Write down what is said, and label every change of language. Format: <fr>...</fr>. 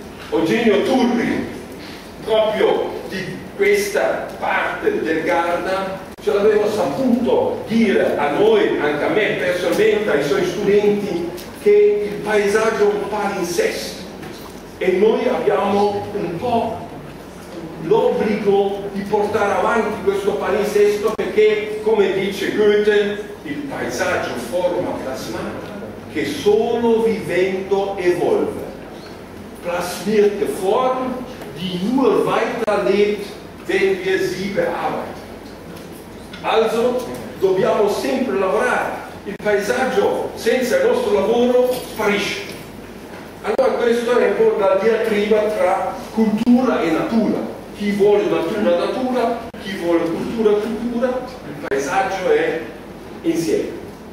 <it>Eugenio Turri, proprio di questa parte del Garda, ce l'aveva saputo dire a noi, anche a me personalmente, ai suoi studenti, che il paesaggio è un palinsesto. E noi abbiamo un po' l'obbligo di portare avanti questo palinsesto perché, come dice Goethe, il paesaggio forma plasmata che solo vivendo evolve.</it> <de>Plasmiert Form, die nur weiterlebt, wenn wir sie bearbeiten.</de> <it>Also dobbiamo sempre lavorare. Il paesaggio senza il nostro lavoro sparisce. Allora questo è un po' la diatriba tra cultura e natura. Chi vuole natura, natura, chi vuole cultura, cultura, il paesaggio è insieme.</it>